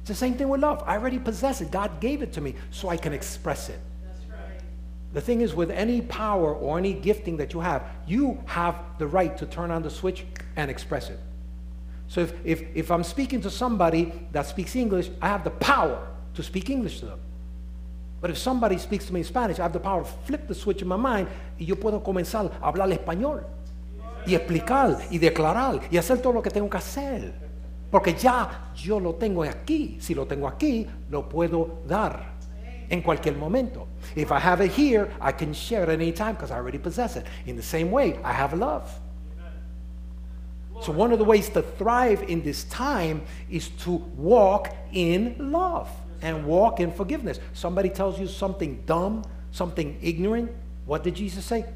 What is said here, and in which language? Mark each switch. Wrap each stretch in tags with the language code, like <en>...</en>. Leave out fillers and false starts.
<en>It's the same thing with love. I already possess it. God gave it to me so I can express it. That's right. The thing is, with any power or any gifting that you have the right to turn on the switch and express it. So if I'm speaking to somebody that speaks English, I have the power to speak English to them. But if somebody speaks to me in Spanish, I have the power to flip the switch in my mind,</en> <es>y yo puedo comenzar a hablar español, y explicar, y declarar, y hacer todo lo que tengo que hacer. Porque ya yo lo tengo aquí. Si lo tengo aquí, lo puedo dar en cualquier momento.</es> <en>If I have it here, I can share it anytime because I already possess it. In the same way, I have love. So one of the ways to thrive in this time is to walk in love and walk in forgiveness. Somebody tells you something dumb, something ignorant, what did Jesus say?</en>